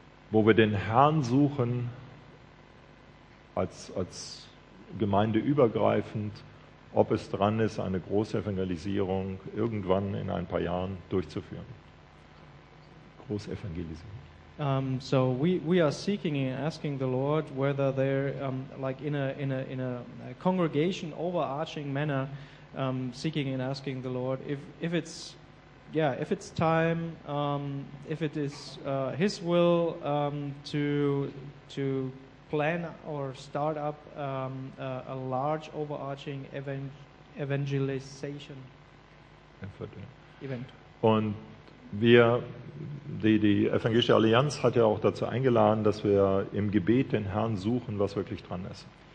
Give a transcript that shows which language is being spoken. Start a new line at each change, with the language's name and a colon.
German: wo wir den Herrn suchen als gemeindeübergreifend, ob es dran ist, eine Großevangelisierung irgendwann in ein paar Jahren durchzuführen. Großevangelisierung.
English: So we are seeking and asking the Lord whether there like in a congregation overarching manner, seeking and asking the Lord if it's time, if it is His will to plan or start up a large overarching evangelization event.
German: Und wir, die Evangelische Allianz hat ja auch dazu eingeladen, dass wir im Gebet den Herrn suchen, was wirklich dran ist.